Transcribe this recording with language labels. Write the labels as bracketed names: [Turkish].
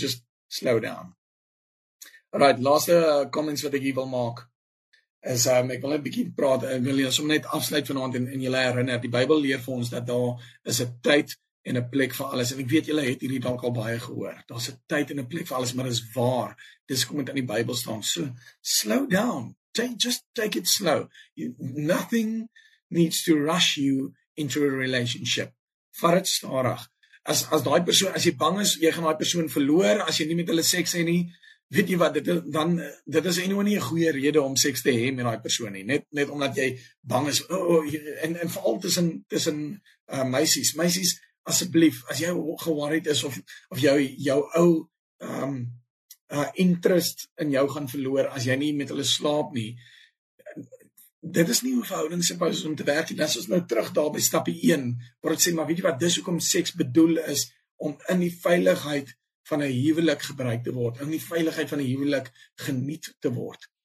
[English] Just slow down. [Afrikaans] Alright, laaste comments wat ek hier wil maak, is ek wil net bietjie praat, ek wil jy som net afsluit vanavond en jy herinner, die Bybel leer vir ons dat daar is 'n tyd en 'n plek vir alles. En ek weet jy het hierdie dalk al baie gehoor. Daar's 'n tyd en 'n plek vir alles, maar dis waar. Dis kom dit in die Bybel staan. [English] So, slow down. Just take it slow. Nothing needs to rush you into a relationship. [Afrikaans] Vat dit stadig. As daai persoon, as jy bang is, jy gaan daai persoon verloor, as jy nie met hulle seks hê nie, weet jy wat, dit is anyway nie 'n goeie rede om seks te hê met daai persoon nie. Net omdat jy bang is. En veral tussen meisies. Meisies, asseblief, as jy geworried is of jou ou interest in jou gaan verloor as jy nie met hulle slaap nie. Dit is nie hoe verhoudings supposed om te werk nie. Dis ons nou terug daar by stappie 1, waar dit sê, maar weet jy wat, dis hoekom seks bedoel is om in die veiligheid van 'n huwelik gebruik te word, in die veiligheid van 'n huwelik geniet te word.